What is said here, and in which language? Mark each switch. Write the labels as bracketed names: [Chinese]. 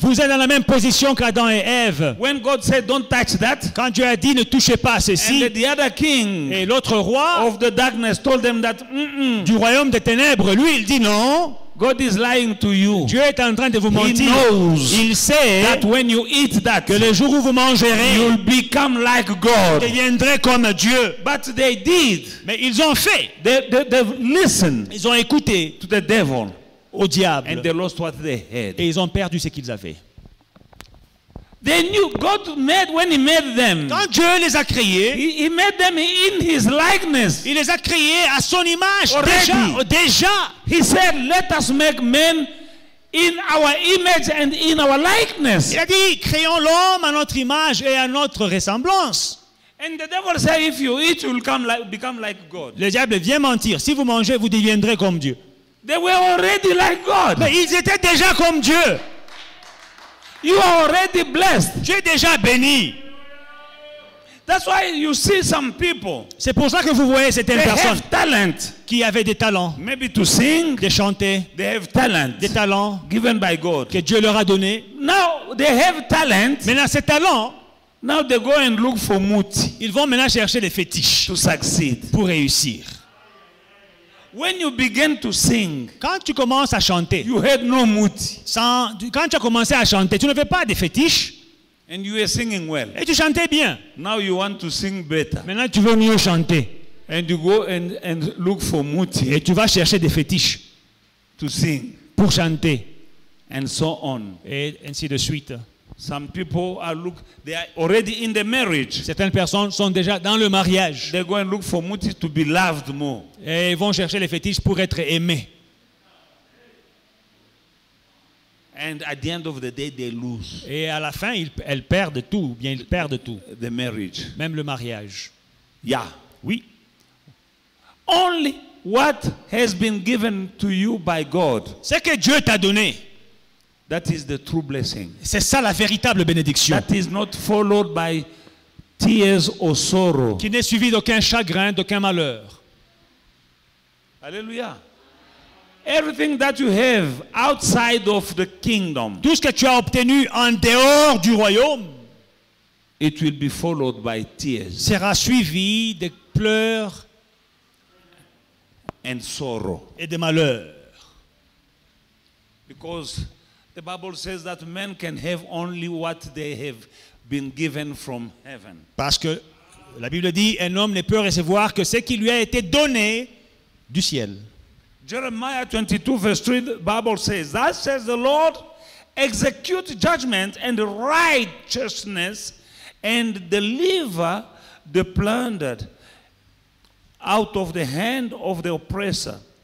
[French] Vous êtes dans la même position qu'Adam et Ève. [English] When God said, "Don't touch that," [French] quand Dieu a dit, ne touchez pas ceci, [English] and the other king, [French] et l'autre roi, [English] of the darkness, told them that, [French] du royaume des ténèbres, lui, il dit non. [English] God is lying to you. [French] Dieu est en train de vous mentir. [English] He knows. [French] Il sait [English] that when you eat that, [French] que le jour où vous mangerez, [English] you'll become like God. [French] Vous deviendrez comme Dieu. [English] But they did. [French] Mais ils ont fait. [English] They listened. [French] Ils ont écouté [English] to the devil, [French] au diable. [English] And they lost what they had. [French] Et ils ont perdu ce qu'ils avaient. [English] They knew God made when He made them. [French] Quand Dieu les a créés, [English] He made them in His likeness. [French] Il les a créés à son image. [English] Already. [French] Déjà. [English] He said, "Let us make men in our image and in our likeness." [French] Il a dit, créons l'homme à notre image et à notre ressemblance. [English] And the devil said, "If you eat, you'll come like, become like God." [French] Le diable vient mentir. Si vous mangez, vous deviendrez comme Dieu. [English] They were already like God. [French] Mais ils étaient déjà comme Dieu. [English] You are already blessed. [French] Tu es déjà béni. [English] That's why you see some people. [French] C'est pour ça que vous voyez certaines [English] they [French] personnes [English] have talent. [French] Qui avaient des talents. [English] Maybe to sing. [French] De chanter. [English] They have talent. [French] Des talents [English] given by God. [French] Que Dieu leur a donné. [English] Now they have talent. [French] Maintenant ces talents. [English] Now they go and look for muti. [French] Ils vont maintenant chercher des fétiches. [English] To succeed. [French] Pour réussir. [English] When you begin to sing, [French] quand tu commences à chanter, [English] you had no muti. [French] Sans, quand tu as commencé à chanter, tu ne fais pas de fétiche. [English] And you were singing well. [French] Et tu chantais bien. [English] Now you want to sing better. [French] Maintenant tu veux mieux chanter. [English] And you go and look for muti. [French] Et tu vas chercher des fétiches. [English] To sing. [French] Pour chanter. [English] And so on. [French] Et ainsi de suite. [English] Some people are look. They are already in the marriage. [French] Certaines personnes sont déjà dans le mariage. [English] They go and look for muti to be loved more. [French] Et ils vont chercher les fétiches pour être aimés. [English] And at the end of the day, they lose. [French] Et à la fin, elles perdent tout. Bien, ils perdent tout. [English] The marriage. [French] Même le mariage. [English] Yeah. [French] Oui. [English] Only what has been given to you by God. [French] Ce que Dieu t'a donné. [English] That is the true blessing. [French] C'est ça la véritable bénédiction. [English] That is not followed by tears or sorrow. [French] Qui n'est suivi d'aucun chagrin, d'aucun malheur. Alléluia. [English] Everything that you have outside of the kingdom. [French] Tout ce que tu as obtenu en dehors du royaume. [English] It will be followed by tears. [French] Sera suivi de pleurs. [English] And sorrow. [French] Et de malheurs. [English] Because the Bible says that men can have only what they have been given from heaven. [French] Parce que la Bible dit un homme ne peut recevoir que ce qui lui a été donné du ciel. [English] Jeremiah 22 verse 3, the Bible says, thus says the Lord, execute judgment and righteousness and deliver the plundered out of the hand of the oppressor.